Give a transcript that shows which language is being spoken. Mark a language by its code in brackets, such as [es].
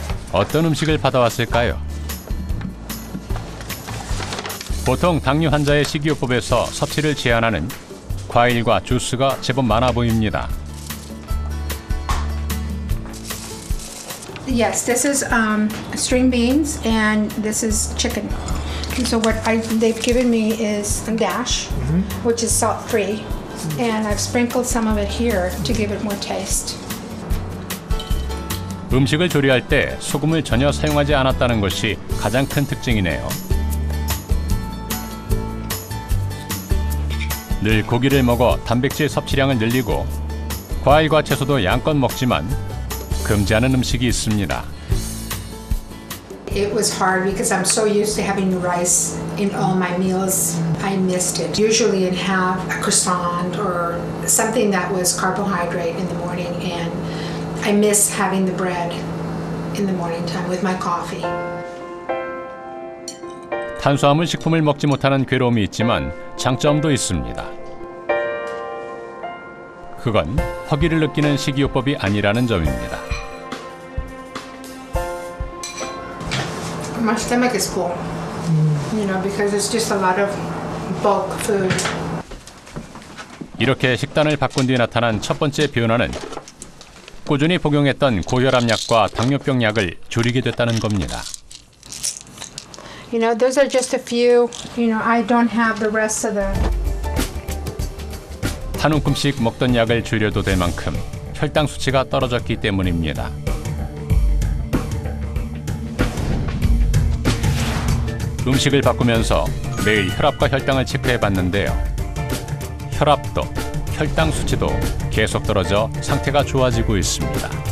[ko] 어떤 음식을 받아왔을까요? 보통 당뇨 환자의 식이요법에서 섭취를 제한하는 과일과 주스가 제법 많아 보입니다. [en] Yes, this is string beans and this is chicken. So what they've given me is dash, which is salt free, and I've sprinkled some of it here to give it more taste. [ko] 음식을 조리할 때 소금을 전혀 사용하지 않았다는 것이 가장 큰 특징이네요. 늘 고기를 먹어 단백질 섭취량을 늘리고 과일과 채소도 양껏 먹지만 금지하는 음식이 있습니다. [en] It was hard because I'm so used to having rice in all my meals. I missed it. Usually I'd have a croissant or something that was carbohydrate in the morning and I miss having the bread in the morning time with my coffee. [ko] 탄수화물 식품을 먹지 못하는 괴로움이 있지만 장점도 있습니다. 그건 허기를 느끼는 식이요법이 아니라는 점입니다. [en] My stomach is full, you know, because it's just a lot of bulk food. [ko] 이렇게 식단을 바꾼 뒤 나타난 첫 번째 변화는 꾸준히 복용했던 고혈압약과 당뇨병 약을 줄이게 됐다는 겁니다. [en] You know, those are just a few. You know, I don't have the rest of the. [ko] 한 움큼씩 먹던 약을 줄여도 될 만큼 혈당 수치가 떨어졌기 때문입니다. 음식을 바꾸면서 매일 혈압과 혈당을 체크해봤는데요. 혈압도 혈당 수치도 계속 떨어져 상태가 좋아지고 있습니다.